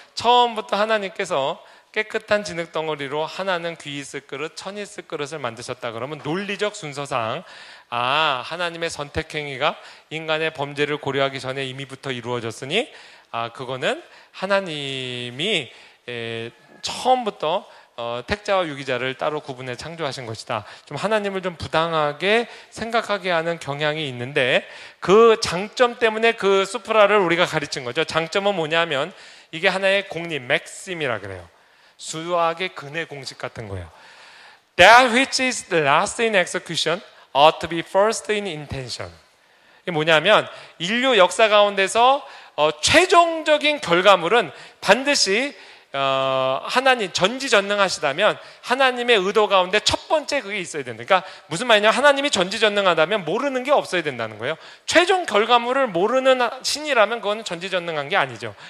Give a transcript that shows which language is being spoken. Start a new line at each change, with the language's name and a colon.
Korean: 처음부터 하나님께서 깨끗한 진흙덩어리로 하나는 귀 있을 그릇, 천 있을 그릇을 만드셨다 그러면 논리적 순서상 아 하나님의 선택 행위가 인간의 범죄를 고려하기 전에 이미부터 이루어졌으니 아 그거는 하나님이 처음부터 택자와 유기자를 따로 구분해 창조하신 것이다. 좀 하나님을 좀 부당하게 생각하게 하는 경향이 있는데 그 장점 때문에 그 수프라를 우리가 가르친 거죠. 장점은 뭐냐면 이게 하나의 공리, 맥심이라 그래요. 수학의 근의 공식 같은 거예요.
English: That which is last in execution ought to be first in intention.
Korean: 이게 뭐냐면 인류 역사 가운데서 최종적인 결과물은 반드시 하나님 전지전능하시다면 하나님의 의도 가운데 첫 번째 그게 있어야 된다. 그러니까 무슨 말이냐? 하나님이 전지전능하다면 모르는 게 없어야 된다는 거예요. 최종 결과물을 모르는 신이라면 그건 전지전능한 게 아니죠.